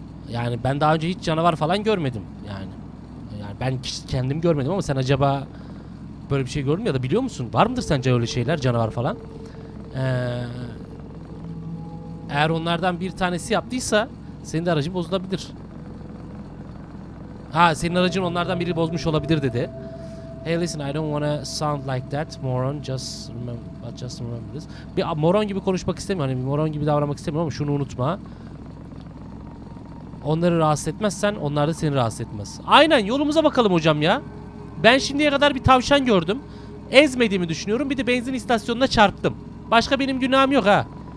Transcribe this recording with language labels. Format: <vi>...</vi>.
<tr>Yani ben daha önce hiç canavar falan görmedim. Yani ben kendim görmedim ama sen acaba böyle bir şey gördün mü ya da biliyor musun? Var mıdır sence öyle şeyler, canavar falan? Eğer onlardan bir tanesi yaptıysa senin de aracın bozulabilir. Ha, senin aracın onlardan biri bozmuş olabilir dedi.</tr> <en>Hey listen, I don't wanna sound like that moron. Just remember this.</en> <tr>Bir moron gibi konuşmak istemiyorum. Hani moron gibi davranmak istemiyorum ama şunu unutma. Onları rahatsız etmezsen onlar da seni rahatsız etmez. Aynen, yolumuza bakalım hocam ya. Ben şimdiye kadar bir tavşan gördüm. Ezmediğimi düşünüyorum. Bir de benzin istasyonuna çarptım. Başka benim günahım yok ha.</tr>